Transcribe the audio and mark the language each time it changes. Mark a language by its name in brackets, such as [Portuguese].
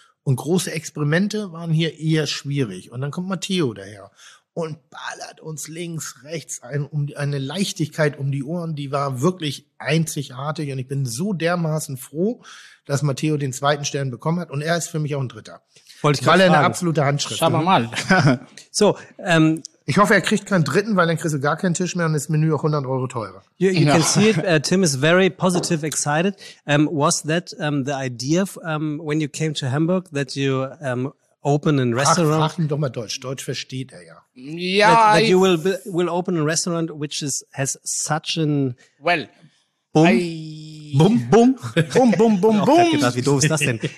[German] Und große Experimente waren hier eher schwierig. Und dann kommt Matteo daher und ballert uns links, rechts eine Leichtigkeit um die Ohren, die war wirklich einzigartig. Und ich bin so dermaßen froh, dass Matteo den 2. Stern bekommen hat. Und er ist für mich auch ein 3. Wollte ich gerade sagen. Weil er eine absolute Handschrift. Schauen wir mal. So, ich hoffe, er kriegt keinen 3., weil dann kriegst du gar keinen Tisch mehr und das Menü auch 100 Euro teurer. [English] You can see it. Tim is very positive, excited. Was that the idea when you came to Hamburg, that you open a restaurant? [German] Ach, doch mal Deutsch. Deutsch versteht er ja. [English] Yeah, that you will open a restaurant which has such an boom. [German] Gedacht, wie doof ist das denn?